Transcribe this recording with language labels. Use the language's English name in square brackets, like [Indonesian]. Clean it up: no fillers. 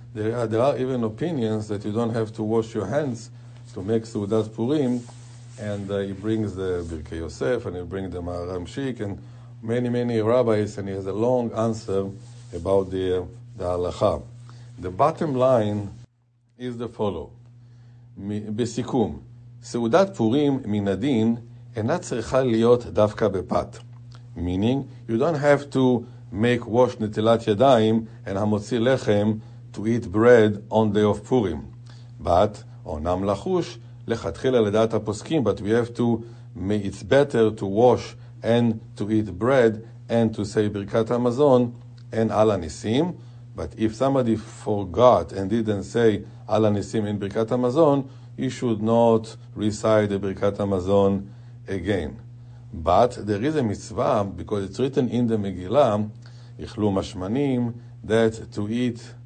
[English] There are even opinions that you don't have to wash your hands to make Seudat Purim. And he brings the Birkei Yosef, and he brings the Maharam Shik, and many, many rabbis, and he has a long answer about the halacha. The bottom line is the following. [Hebrew] בסיכום, סעודת פורים מן הדין אינה צריכה להיות דווקא בפת. [English] Meaning, you don't have to make wash נטילת ידיים and המוציא לחם to eat bread on day of Purim. But, אונם לחוש, לכתחילה לדעת הפוסקים, but we have to, it's better to wash and to eat bread and to say ברכת המזון and על הניסים. But if somebody forgot and didn't say Al HaNisim in Birkat HaMazon, he should not recite the Birkat HaMazon again. But there is a mitzvah, because it's written in the Megillah, Ichlu Mashmanim, that to eat